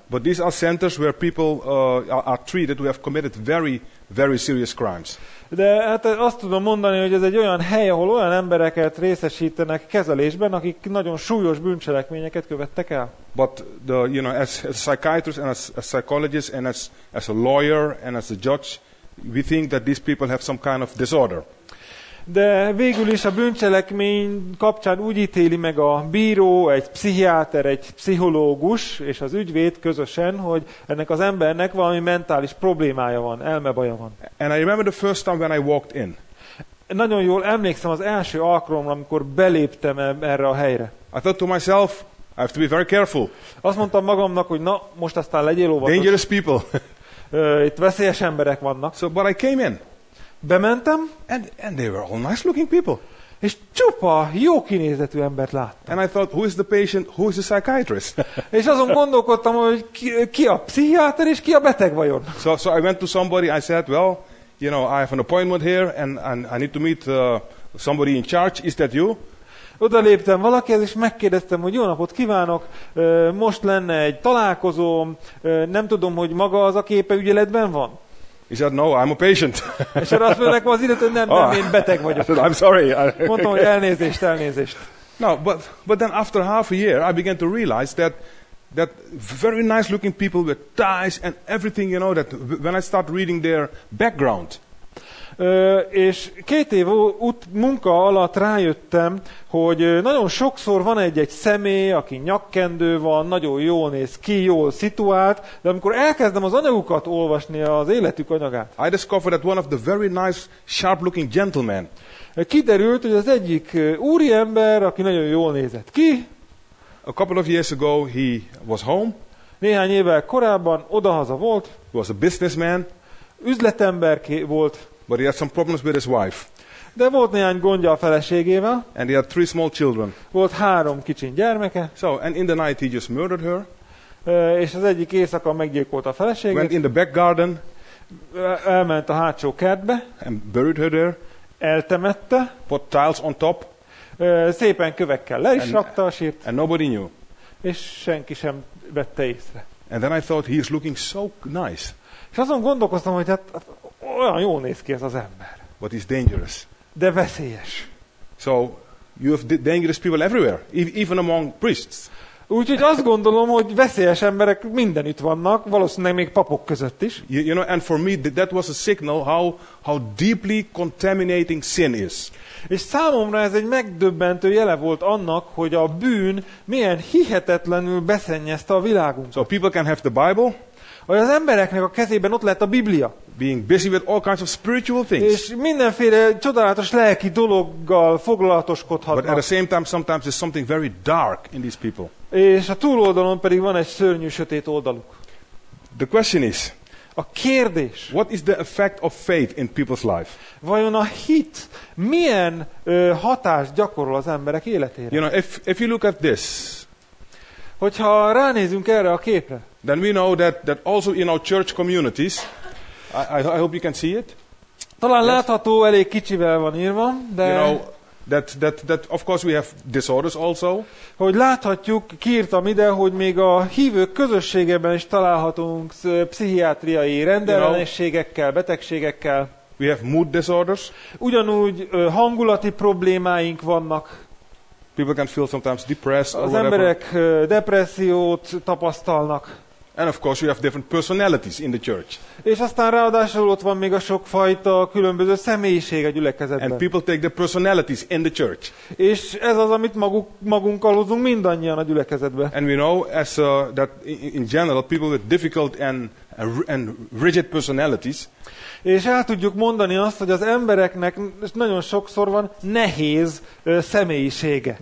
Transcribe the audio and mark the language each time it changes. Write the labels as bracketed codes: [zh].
[en] But these are centers where people are treated who have committed very, very serious crimes. [hu] De hát azt tudom mondani, hogy ez egy olyan hely, ahol olyan embereket részesítenek kezelésben, akik nagyon súlyos bűncselekményeket követtek el. [en] But the, you know, as a psychiatrist and as a psychologist and as a lawyer and as a judge, we think that these people have some kind of disorder. [hu] De végül is a bűncselekmény kapcsán úgy ítéli meg a bíró, egy pszichiáter, egy pszichológus és az ügyvéd közösen, hogy ennek az embernek valami mentális problémája van, elmebaja van. [en] And I remember the first time when I walked in. [hu] Nagyon jól emlékszem az első alkalomra, amikor beléptem erre a helyre. [en] I thought to myself, I have to be very careful. [hu] Azt mondtam magamnak, hogy na, most aztán legyél óvatos. [en] Dangerous people. [hu] Itt veszélyes emberek vannak. [en] So, but I came in. [hu] Bementem, [en] and they were all nice looking people. [hu] És csupa jó kinézetű embert láttam. [en] And I thought, who is the patient, who is the psychiatrist? [hu] És azon gondolkodtam, hogy ki a pszichiáter és ki a beteg vajon. [en] So I went to somebody, I said, well, you know, I have an appointment here and I need to meet somebody in charge, is that you? [hu] Oda léptem valakihez és megkérdeztem, hogy jó napot kívánok, most lenne egy találkozóm, nem tudom, hogy maga az a képe ügyeletben van. [en] He said, no, I'm a patient. [hu] És arra azt mondják, az illető, nem, én beteg vagyok. [en] I said, I'm sorry. [hu] Mondtam, hogy elnézést. [en] No, but then after half a year, I began to realize that That very nice looking people with ties and everything, you know, that when I start reading their background. [hu] És két év munka alatt rájöttem, hogy nagyon sokszor van egy-egy személy, aki nyakkendő van, nagyon jól néz ki, jól szituált, de amikor elkezdem az anyagukat olvasni, az életük anyagát. [en] I discovered that one of the very nice, sharp-looking gentlemen. [hu] Kiderült, hogy az egyik úriember, aki nagyon jól nézett ki. [en] A couple of years ago he was home. [hu] Néhány évvel korábban odahaza volt. [en] He was a businessman. [hu] Üzletember volt. [en] But he had some problems with his wife. [hu] De volt néhány gondja a feleségével. [en] And he had three small children. [hu] Volt három kicsin gyermeke. [en] So, and in the night he just murdered her. [hu] És az egyik éjszaka meggyilkolt a feleségét. [en] Went in the back garden. [hu] Elment a hátsó kertbe. [en] And buried her there. [hu] Eltemette. [en] Put tiles on top. [hu] Szépen kövekkel le is rakta a sírt. [en] And nobody knew. [hu] És senki sem vette észre. [en] And then I thought, he is looking so nice. [hu] És azon gondolkoztam, hogy hát... Olyan jól néz ki ez az ember. [en] But he's dangerous. [hu] De veszélyes. [en] So you have dangerous people everywhere, even among priests. [hu] Úgyhogy azt gondolom, hogy veszélyes emberek mindenütt vannak, valószínűleg még papok között is. [en] You know, and for me that was a signal how deeply contaminating sin is. [hu] És számomra ez egy megdöbbentő jele volt annak, hogy a bűn milyen hihetetlenül beszennyezte a világunkat. [en] So people can have the Bible. [hu] Vagy az embereknek a kezében ott lett a Biblia. [en] Being busy with all kinds of spiritual things. [hu] És mindenféle csodálatos lelki dologgal foglalatoskodhatnak. [en] But at the same time, sometimes there's something very dark in these people. [hu] És a túloldalon pedig van egy szörnyű sötét oldaluk. [en] The question is. [hu] A kérdés. [en] What is the effect of faith in people's life? [hu] Vajon a hit milyen hatást gyakorol az emberek életére? [en] You know, if you look at this. [hu] Hogyha ránézünk erre a képre. [en] Then we know that also in our church communities, I hope you can see it. [hu] Talán yes. Látható, elég kicsivel van írva, de... [en] You know, that of course we have disorders also. [hu] Hogy láthatjuk, kiírtam ide, hogy még a hívők közösségében is találhatunk pszichiátriai rendellenességekkel, [en] you know, [hu] betegségekkel. [en] We have mood disorders. [hu] Ugyanúgy hangulati problémáink vannak. [en] People can feel sometimes depressed or whatever. [hu] Az emberek depressziót tapasztalnak. [en] And of course, you have different personalities in the church. [hu] És aztán ráadásul ott van még a sok fajta különböző személyiség a gyülekezetben. [en] And people take their personalities in the church. [hu] És ez az, amit magunkkal hozunk mindannyian a gyülekezetbe. [en] And we know as that in general, people with difficult and rigid personalities. [hu] És el tudjuk mondani azt, hogy az embereknek nagyon sokszor van nehéz személyisége.